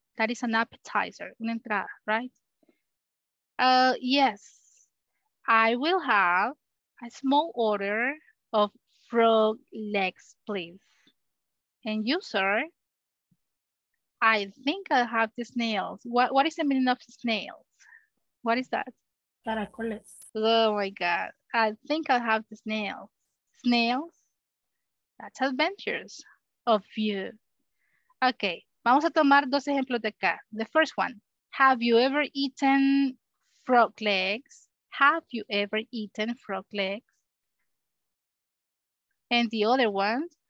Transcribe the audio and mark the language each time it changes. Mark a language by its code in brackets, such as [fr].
[en] That is an appetizer, [es] una entrada, [en] right? Yes, I will have a small order of frog legs, please. And you, sir, I think I'll have the snails. What is the meaning of snails? What is that? [es] Caracoles. [en] Oh my God, I think I'll have the snails. Snails, that's adventures of you. [es] Okay, vamos a tomar dos ejemplos de acá. [en] The first one, have you ever eaten frog legs? Have you ever eaten frog legs? And the other one?